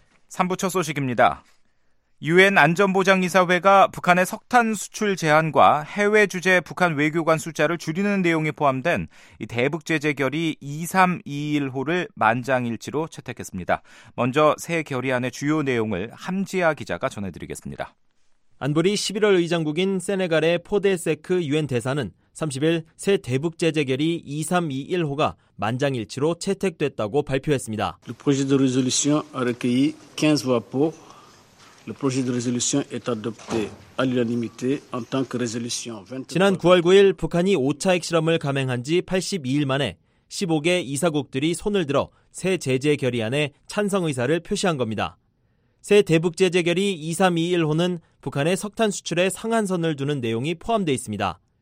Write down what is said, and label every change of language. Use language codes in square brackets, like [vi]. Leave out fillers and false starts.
[ko] 3부 첫 소식입니다. 유엔 안전보장이사회가 북한의 석탄 수출 제한과 해외 주재 북한 외교관 숫자를 줄이는 내용이 포함된 이 대북 제재 결의 2321호를 만장일치로 채택했습니다. 먼저 새 결의안의 주요 내용을 함지아 기자가 전해드리겠습니다. 안보리 11월 의장국인 세네갈의 포데세크 유엔 대사는 30일 새 대북 제재 결의 2321호가 만장일치로 채택됐다고 발표했습니다. [fr] Le projet de résolution a recueilli 15 voix pour. Le projet de résolution est adopté à l'unanimité en tant que résolution. [ko] 지난 9월 9일 북한이 5차 핵실험을 감행한 지 82일 만에 15개 이사국들이 손을 들어 새 제재 결의안에 찬성 의사를 표시한 겁니다. 새 대북 제재 결의 2321호는 북한의 석탄 수출에 상한선을 두는 내용이 포함되어 있습니다.